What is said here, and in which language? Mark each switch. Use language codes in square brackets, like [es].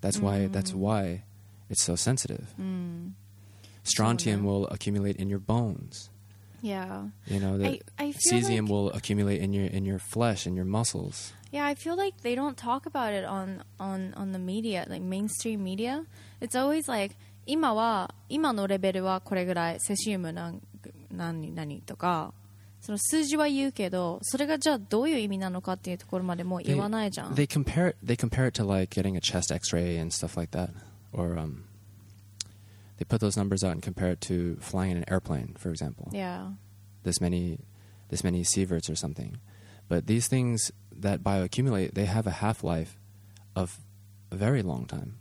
[en] That's why it's so sensitive. Strontium will accumulate in your bones. Yeah. You know, cesium will accumulate in your flesh, in your muscles. Yeah, I feel like they don't talk about it on the media, like mainstream media. It's always like, [ja] 今のレベルはこれぐらい、セシウム何とか、その数字は言うけど、それがじゃあどういう意味なのかっていうところまでもう言わないじゃん。 [en] They compare it to like getting a chest x-ray and stuff like that. Or, they put those numbers out and compare it to flying in an airplane, for example. Yeah. This many sieverts or something. But these things that bioaccumulate, they have a half-life of a very long time.